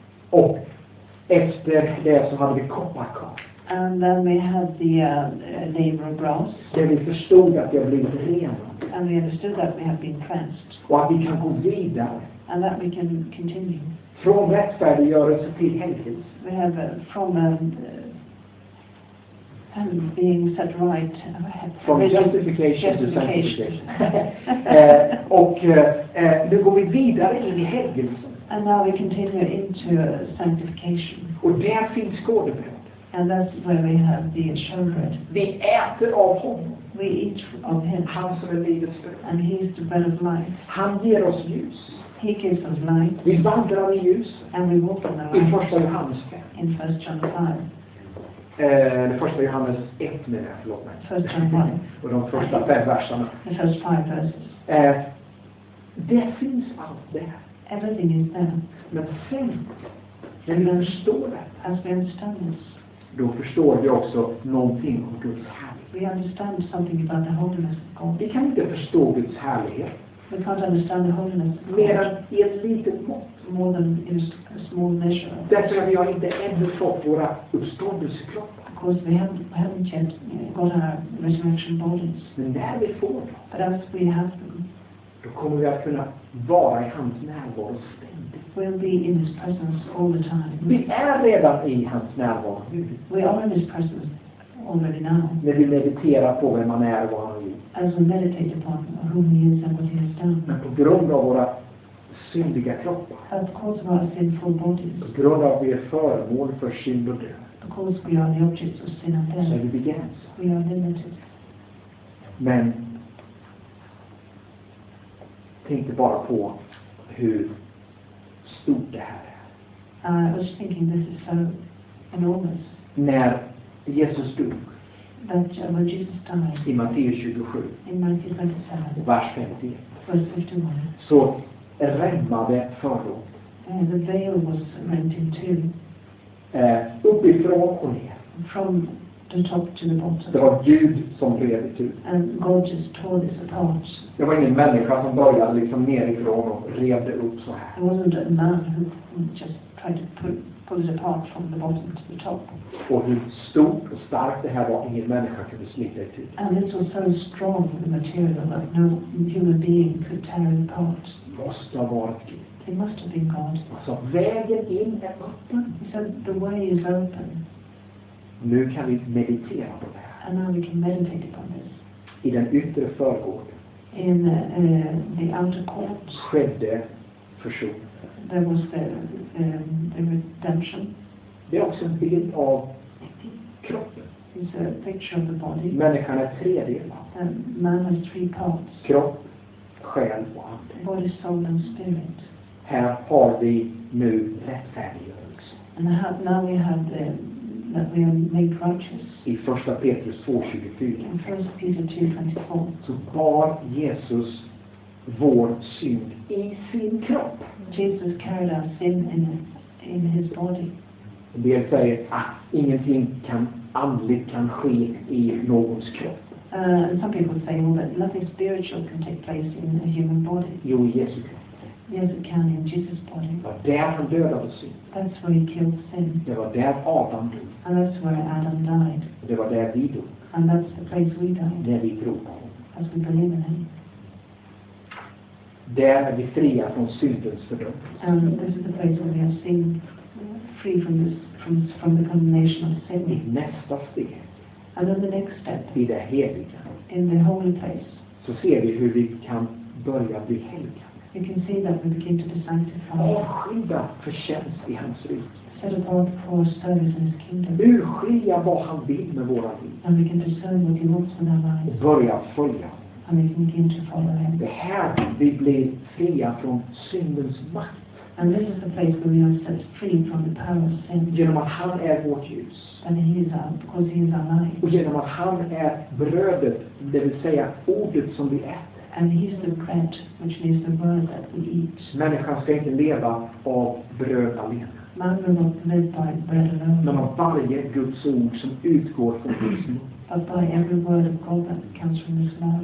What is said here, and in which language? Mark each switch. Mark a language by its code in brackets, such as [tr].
[sv] Och efter det så hade vi kopparkar. [en] And then we had the laver of brass. [sv] Där vi förstod att vi hade blivit rena. [en] And we understood that we had been cleansed. [sv] Och att vi kan gå vidare. [en] And that we can continue. [sv] Från rättfärdiggörelse till helhet. [en] We have from being set right. From justification to sanctification. [sv] Och nu går vi vidare in i helgelsen. [en] And now we continue into sanctification. [sv] Och där finns skådebröd. [en] And that's where we have the showbread. [sv] Vi äter av honom. [en] We eat of him. [sv] Han som är livets bröd. [en] And he is the bread of life. [sv] Han ger oss ljus. [en] He gives us light. [sv] Vi vandrar i ljus. [en] And we walk in the light. [sv] I första Johannes 5. [en] In 1 John 5. [sv] Första Johannes 1 menar jag, förlåt mig. [en] First John 1. [sv] Och de första 5 verserna. [en] The first 5 verses. [sv] Det finns allt där. [en] Everything is there. [sv] Men sen, när vi förstår det. [en] As we understand this. [sv] Då förstår vi också någonting om Guds härlighet. [en] We understand something about the holiness of God. [sv] Vi kan inte förstå Guds härlighet. [en] We can't understand the holiness of God. [sv] Mer än i ett litet mått. [en] More than in a small measure. [sv] Därför har vi inte ännu fått våra uppståndelsekroppar. [en] Of course we haven't yet got our resurrection bodies. [sv] Men när vi får dem. [en] But as we have them. [sv] Då kommer vi att kunna vara i hans närvaro ständigt. [en] We'll be in his presence all the time. [sv] Vi är redan i hans närvaro. [en] We are in his presence already now. [sv] När vi mediterar på vem han är och vad han är. [en] As we meditate upon who he is and what he has done. [sv] Men på grund av våra syndiga kroppar. [en] And of course of our sinful bodies. [sv] På grund av att vi är föremål för synd och död. [en] Because we are the objects of sin and death. [sv] Så vi begränsas. [en] We are limited. [sv] Men tänk bara på hur stort det här är. [en] I was thinking this is so enormous. [sv] När Jesus dog. [en] That when Jesus died. [sv] I Matteus 27. [en] In Matthew 27. [sv] Vers 51. [en] Verse 51. [sv] Så rämmade förråd. [en] The veil was rent in two. [sv] Uppifrån och ner. [en] From the top to the bottom. [sv] Det var Gud som rev det ut. [en] And God just tore this apart. [sv] Det var ingen människa som började liksom nerifrån och rev det upp så här. [en] It wasn't a man who just tried to pull it apart from the bottom to the top. [sv] Och hur stort och starkt det här var, ingen människa kunde slita det ut. [en] And this was so strong the material that no human being could tear it apart. [sv] Måste ha varit Gud. [en] It must have been God. [sv] Så vägen in är öppen. [en] He said the way is open. [sv] Nu kan vi meditera på det här. [en] And now we can meditate upon this. [sv] I den yttre förgården. [en] In the outer court. [sv] Skedde försoning. [en] There was the redemption. [sv] Det är också en bild av kroppen. [en] It's a picture of the body. [sv] Människan är tre delar. [en] Man has three parts. [sv] Kropp, själ och ande. [en] Body, soul and spirit. [sv] Här har vi nu rättfärdiggörelse. [en] And now we have the that we are made righteous. [sv] I första Petrus 2:24. [en] In 1 Peter 2:24. [sv] Så bar Jesus vår synd i sin kropp. [en] Jesus carried our sin in his body. [sv] Det vill säga att ingenting kan andligt kan ske i någons kropp. [en] Some people say well, that nothing spiritual can take place in a human body. [sv] Jo, Jesus kan. [en] Yes, it can in Jesus' body. [sv] Det var där han dör av sin. [en] That's where he killed sin. [sv] Det var där Adam dog. [en] And that's where Adam died. [sv] Det var där vi dog. [en] And that's the place we died. [sv] Där vi tror på. [en] As we believe in him. [sv] Där är vi fria från syndens fördömelse. [en] And this is the place where we are seen free from this from the condemnation of sin. [sv] I nästa steg. [en] And then the next step. [sv] I det heliga. [en] In the holy place. [sv] Så ser vi hur vi kan börja bli heliga. [en] You can see that we begin to be sanctified. [sv] Urskilja för tjänst i hans rike. [en] Set apart for service in his kingdom. [sv] Urskilja vad han vill med våra liv. [en] And we can discern what he wants in our lives. [sv] Och börja följa. [en] And we can begin to follow him. [sv] Det här vi blir fria från syndens makt. [en] And this is the place where we are set free from the power of sin. [sv] Genom att han är vårt ljus. [en] And he is our, because he is our light. [sv] Och genom att han är brödet, det vill säga ordet som vi äter. [en] And he's the bread, which means the word that we eat. [sv] Människan ska inte leva av bröd alene. [en] Man will not live by bread alone. [sv] Men varje Guds ord som utgår från Guds mun. [en] But by every word of God that comes from his mouth.